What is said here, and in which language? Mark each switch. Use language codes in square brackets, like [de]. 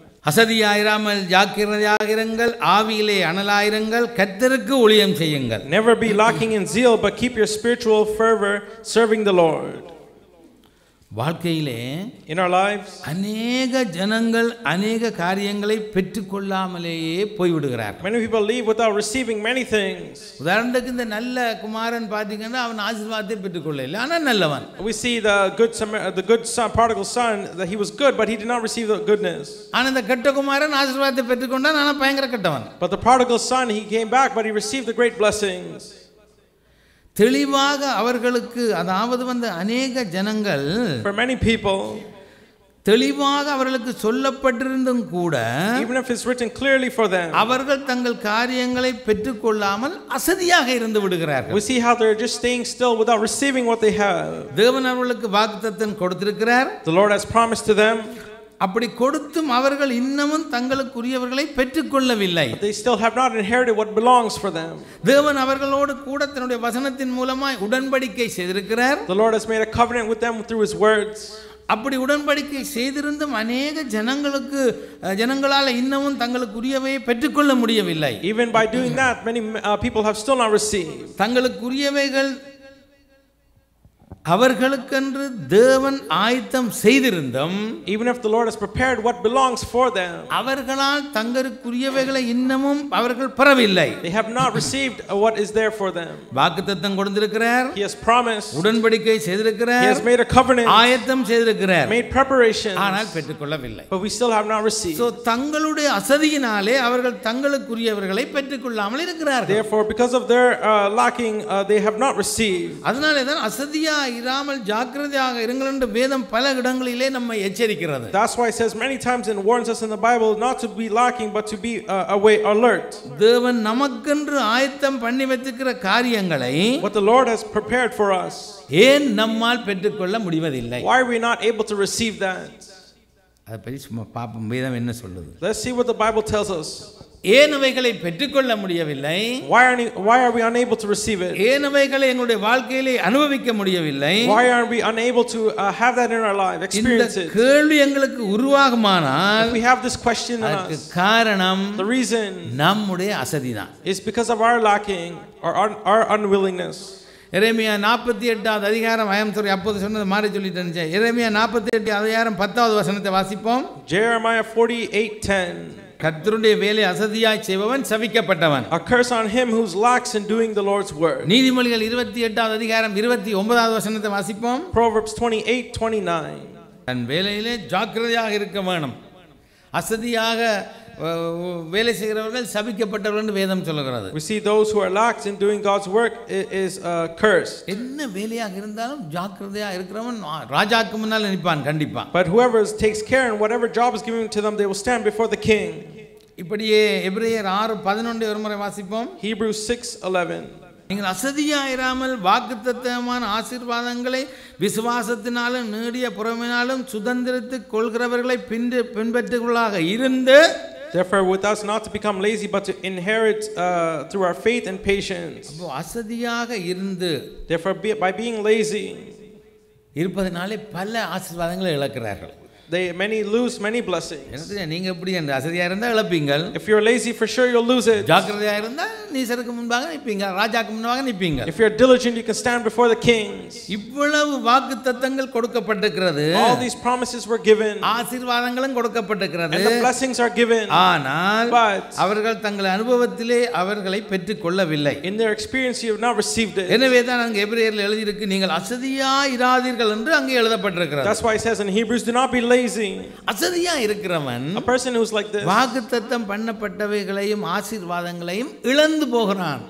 [ta] அசதியாயிராமல் ஜாக்கிரதையாக இருங்கள், ஆவியிலே அனலாயிருங்கள், கர்த்தருக்கு ஊழியம் செய்யுங்கள். [en] Never be lacking in zeal but keep your spiritual fervor serving the Lord. [ta] வாழ்க்கையிலே [en] in our lives [ta] அநேக ஜனங்கள் அநேக காரியங்களை பெற்றுக்கொள்ளாமலேயே போய்விடுகிறார். [en] Many people leave without receiving many things. [ta] உதாரணத்துக்கு இந்த நல்ல குமாரன் பாத்தீங்கன்னா அவன் ஆசீர்வாதத்தை பெற்றுக்கொள்ளல, ஆனா நல்லவன். [en] We see the good son, prodigal son, that he was good but he did not receive the goodness. [ta] ஆனா இந்த கெட்ட குமாரன் ஆசீர்வாதத்தை பெற்றுக்கொண்டான், ஆனா பயங்கர கெட்டவன். [en] But the prodigal son, he came back but he received the great blessings. [ta] தெளிவாக அவர்களுக்கு, அதாவது வந்த அநேக ஜனங்கள், [en] for many people [ta] தெளிவாக அவர்களுக்கு சொல்லப்பட்டிருந்தும் கூட, [en] even if it's written clearly for them, [ta] அவர்கள் தங்கள் காரியங்களை பெற்றுக்கொள்ளாமல் அசதியாக இருந்து விடுகிறார்கள். [en] We see how they're just staying still without receiving what they have. [ta] தேவன் அவர்களுக்கு வாக்குத்தத்தம் கொடுத்திருக்கிறார். [en] The Lord has promised to them. [ta] அப்படி கொடுத்தும் அவர்கள் இன்னமும் தங்களுக்குரியவர்களை பெற்றுக்கொள்ளவில்லை. [en] They still have not inherited what belongs for them. [ta] தேவன் அவர்களோடு கூட தன்னுடைய வசனத்தின் மூலமாய் உடன்படிக்கை செய்திருக்கிறார். [en] The Lord has made a covenant with them through his words. [ta] அப்படி உடன்படிக்கை செய்திருந்தும் அநேக ஜனங்களுக்கு, ஜனங்களால இன்னமும் தங்களுக்குரியவை பெற்றுக்கொள்ள முடியவில்லை. [en] Even by doing that, many people have still not received. [ta] தங்களுக்குரியவைகள் அவர்களுக்கென்று தேவன் ஆயத்தம் செய்திருந்தும், [en] even if the Lord has prepared what belongs for them, [ta] அவர்களால் தங்களுக்குரியவைகளை இன்னமும் அவர்கள் பெறவில்லை. [en] They have not received what is there for them. [ta] வாக்குத்தத்தம் கொடுத்திருக்கிறார். [en] He has promised. [ta] உடன்படிக்கை செய்திருக்கிறார். [en] He has made a covenant. [ta] ஆயத்தம் செய்திருக்கிறார். [en] Made preparations. [ta] ஆனால் பெற்றுக்கொள்ளவில்லை. [en] But we still have not received. [ta] So தங்களுடைய அசதியினாலே அவர்கள் தங்களுக்குரியவர்களை பெற்றுக்கொள்ளாமல் இருக்கிறார்கள். [en] Therefore because of their lacking they have not received. [ta] அதனாலே தான் அசதியா இராமல் ஜாக்கிரதையாக இருங்கள் என்று வேதம் பல இடங்களிலே நம்மை எச்சரிக்கிறது. [en] That's why it says many times and warns us in the Bible not to be lacking but to be away alert. [ta] தேவன் நமக்கென்று ஆயத்தம் பண்ணி வைத்திருக்கிற காரியங்களை, [en] what the Lord has prepared for us, [ta] ஏன் நம்மால் பெற்றுக்கொள்ள முடியவில்லை? [en] Why are we not able to receive that? [ta] அதை பற்றி சும்மா பாப்போம், வேதம் என்ன சொல்லுது. [en] Let's see what the Bible tells us. [ta] ஏனவைகளை பெற்றுக்கொள்ள முடியவில்லை. [en] Why are we unable to receive it? [ta] ஏனவைகளை எங்களுடைய வாழ்க்கையிலே அனுபவிக்க முடியவில்லை. [en] Why are we unable to have that in our life, experience it? [ta] இந்த கேள்வி எங்களுக்கு உருவாகுமானால் [en] we have this question in us. [ta] காரணம் [en] the reason [ta] நம்முடைய அசதிதான். [en] It's because of our lacking or our unwillingness. [ta] எரேமியா 48 அதிகாரம் ஐயம்துறை அப்போது சொன்னது மாறி சொல்லிட்டு இருந்துச்சேன். எரேமியா 48 10 வசனத்தை வாசிப்போம். [en] Jeremiah 48:10. [ta] கர்த்தருடைய வேலை அசதியாய் செய்பவன் சபிக்கப்பட்டவன். [en] A curse on him who lacks in doing the Lord's work. [ta] நீதிமொழிகள் 28 அதிகாரம் 29 வசனத்தை வாசிப்போம். [en] Proverbs 28:29. [ta] தன் வேலையிலே ஜாக்கிரதையாக இருக்க வேணும். அசதியாக வேலை செய்கிறவர்கள் சபிக்கப்பட்டவர்கள் வேதம் சொல்கிறது. [en] We see those who are lax in doing God's work is cursed. [ta] என்ன வேலையாக இருந்தாலும் ஜாக்கிரதையா இருக்கிறவன் ராஜாக்கு முன்னால் நிற்பான் கண்டிப்பா. [en] But whoever takes care and whatever job is given to them, they will stand before the king. [ta] இப்படியே எபிரேயர் 6:11 ஒருமுறை வாசிப்போம். [en] Hebrews 6:11. [ta] நீங்கள் அசதியாயிராமல் வாக்குத்தத்தமான ஆசீர்வாதங்களை விசுவாசத்தினாலும் நீடிய புறமினாலும் சுதந்திரித்து கொள்கிறவர்களை பின்பற்றுகளாக இருந்து [en] therefore with us not to become lazy but to inherit through our faith and patience. [ta] அப்போ அசதியாக இருந்து [en] therefore by being lazy [ta] இருப்பதனாலே பல ஆசீர்வாதங்களை இழக்கிறார்கள். [en] They many lose many blessings. [ta] என்னது நீங்க எப்படி அந்த அசதியா இருந்தா இழப்பீங்க. [en] If you're lazy for sure you'll lose it. [ta] ஜாக்கிரதையா இருந்தா நீ சருக்கு முன்பாக நிப்பீங்க ராஜாக்கு முன்பாக நிப்பீங்க. [en] If you're diligent you can stand before the kings. [ta] இவ்வளவு வாக்குத்தத்தங்கள் கொடுக்கப்பட்டிருக்கிறது. [en] All these promises were given. [ta] ஆசீர்வாதங்களும் கொடுக்கப்பட்டிருக்கிறது. [en] And the blessings are given. [ta] ஆனால் [en] but [ta] அவர்கள் தங்கள் அனுபவத்திலே அவர்களை பெற்றுக்கொள்ளவில்லை. [en] In their experience you have not received it. [ta] எனவே தான் அங்கே எபிரேயர்ல எழுதி இருக்கு நீங்கள் அசதியா இராதீர்கள் என்று அங்கே எழுதப்பட்டிருக்கிறது. [en] That's why it says in Hebrews do not be lazy. [ta] அசதியா இருக்கிறவன் [en] a person who's like this [ta] வாக்குத்தத்தம் பண்ணப்பட்டவைகளையும் ஆசீர்வாதங்களையும் இழந்து போகிறான்.